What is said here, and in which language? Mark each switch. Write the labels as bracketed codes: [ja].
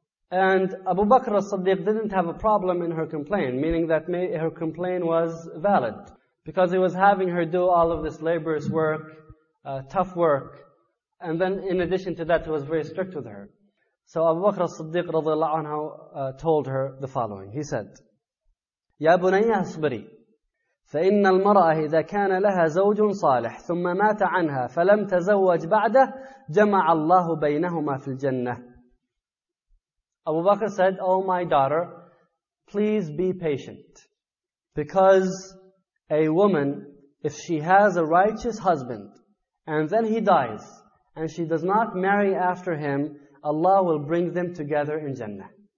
[en] And Abu Bakr as-Siddiq didn't have a problem in her complaint, meaning that her complaint was valid. Because he was having her do all of this laborious work, tough work. And then in addition to that, he was very strict with her. So Abu Bakr as-Siddiq radiallahu anhu told her the following. He said, [ar] يَا بُنَيَّا صَبْرِي فإن المرأة إذا كان لها زوج صالح ثم مات عنها فلم تزوج بعده جمع الله بينهما في الجنة. [en] Abu Bakr said, "Oh my daughter, please be patient, because a woman, if she has a righteous husband and then he dies and she does not marry after him, Allah will bring them together in Jannah."